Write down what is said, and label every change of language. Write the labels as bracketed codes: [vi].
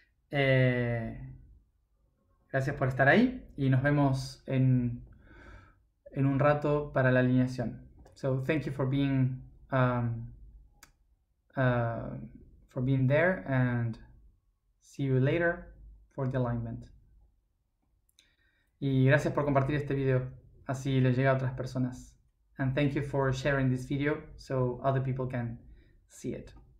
[es] Gracias por estar ahí y nos vemos en un rato para la alineación. [en] So thank you for being for being there and see you later for the alignment. [es] Y gracias por compartir este video, así le llega a otras personas. [en] And thank you for sharing this video so other people can see it.